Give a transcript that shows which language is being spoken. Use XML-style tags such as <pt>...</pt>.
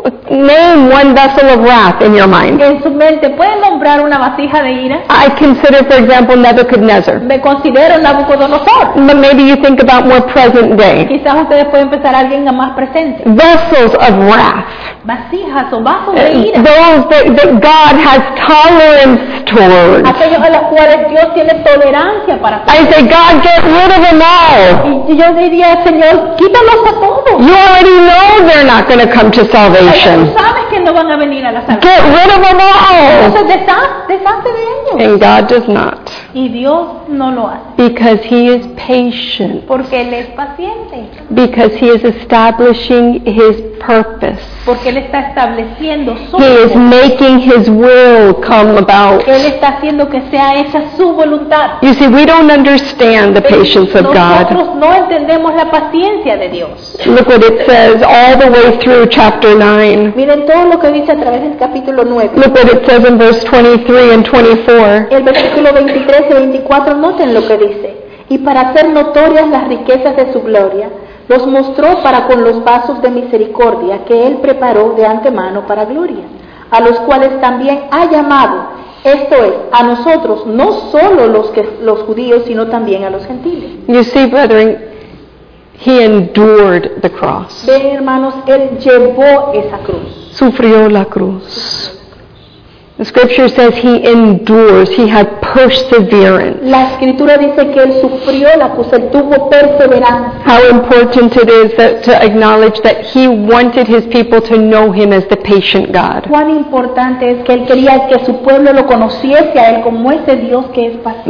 <en>name one vessel of wrath in your mind.</en> <es>En su mente, ¿pueden nombrar una vasija de ira?</es> <en>I consider, for example, Nebuchadnezzar.</en> <es>Me considero Nabucodonosor.</es> <en>But maybe you think about more present day.</en> <es>Quizás ustedes pueden pensar alguien más presente.</es> <en>Vessels of wrath.</en> <es>vasijas o vasos de ira.</es> <en>Those that God has tolerance towards.</en> <es>Aquellos a los cuales Dios tiene tolerancia para todos.</es> <en>I say, God, get rid of them all.</en> <es>Y yo diría, Señor, quítalos a todos.</es> <en>You already know they're not going to come to salvation.</en> <es>Ellos saben que no van a venir a la salvación.</es> <en>Get rid of them all.</en> <es>Entonces, deshazte de ellos.</es> <en>And God does not.</en> <es>Y Dios no lo hace.</es> <en>Because He is patient.</en> <es>Porque Él es paciente.</es> <en>Because He is establishing His purpose.</en> <es>Porque Él está estableciendo su</es> <en>He is making His will come about.</en> <es>Él está haciendo que sea hecha su voluntad.</es> <en>You see, we don't understand the patience of God.</en> <es>Nosotros no entendemos la paciencia de Dios.</es> <en>Look what it says all the way through chapter 9.</en> <es>Miren todo lo que dice a través del capítulo 9.</es> <en>Look what it says in verse 23 and 24.</en> <es>El versículo 23 y 24, noten lo que dice. Y para hacer notorias las riquezas de su gloria, los mostró para con los vasos de misericordia que Él preparó de antemano para gloria, a los cuales también ha llamado, esto es, a nosotros, no solo los judíos, sino también a los gentiles.</es> <en>You see, brethren, He endured the cross.</en> <es>Ven, hermanos, Él llevó esa cruz. Sufrió la cruz.</es> <en>The scripture says He endures. He had perseverance.</en> <es>La escritura dice que él sufrió la cruz, él tuvo perseverancia.</es> <en>How important it is that, to acknowledge that He wanted His people to know Him as the patient God.</en> <es>Cuán importante es que él quería que su pueblo lo conociese a él como ese Dios que es paciente.</es>